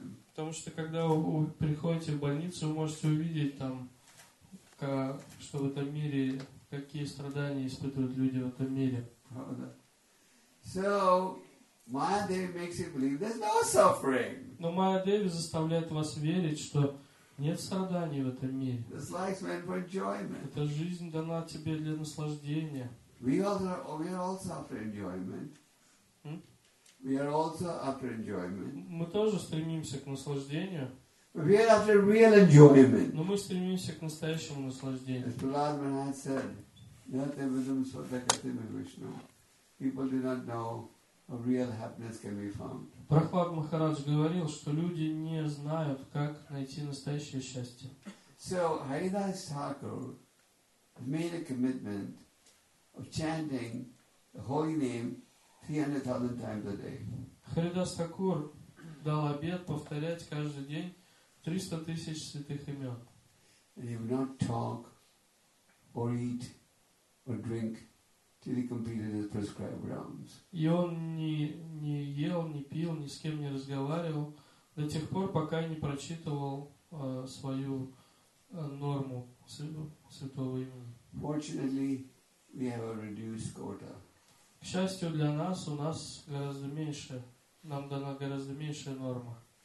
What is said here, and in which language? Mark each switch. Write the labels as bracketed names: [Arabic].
[Russian] Потому что когда вы приходите в больницу, вы можете увидеть там, что в этом мире, какие страдания испытывают люди в этом мире. [English] So Mayadevi makes you believe there's no suffering. [Russian] Но Mayadevi заставляет вас верить, что нет страданий в этом мире. [English] This life's meant for enjoyment. [Russian] Эта жизнь дана тебе для наслаждения. [English] We are also after enjoyment. [Russian] Мы тоже стремимся к наслаждению. [English] We are after real enjoyment. [Russian] Но мы стремимся к настоящему наслаждению. [English] As Prahlad Maharaj said, Natyavidam Svatakatim Vishnu. People do not know how real happiness can be found. [Russian] Прохлад Махарадж говорил, что люди не знают, как найти настоящее счастье. [English] So Haridas Thakur made a commitment of chanting the holy name 300,000 times a day. [Russian] Haridas Thakur дал обет повторять каждый день 300,000 святых имен. [English] And he would not talk or eat or drink till he completed his prescribed rounds. [Russian] И он не ел, не пил, ни с кем не разговаривал до тех пор, пока не прочитывал свою норму святого имени. [English] Fortunately, we have a reduced quota. [Russian] К счастью для нас, у нас гораздо меньше, нам дана гораздо меньшая норма.